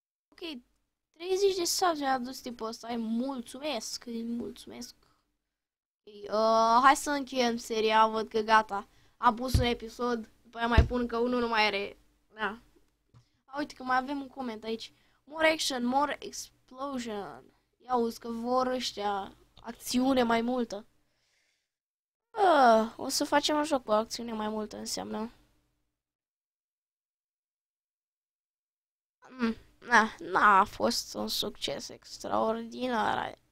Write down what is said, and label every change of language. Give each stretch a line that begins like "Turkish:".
Romanian: Ok, 30 de subs mi-a adus tipul ăsta. Ai, mulțumesc, mulțumesc. Okay, hai să încheiem seria, văd că gata. Am pus un episod, după aia mai pun că unul nu mai are. Da. Uite că mai avem un coment aici.
English: More action, more explosion.
Romanian: Ia uzi că vor ăștia acțiune mai multă. O să facem un joc cu acțiune mai multă, înseamnă. N-a fost un succes extraordinar.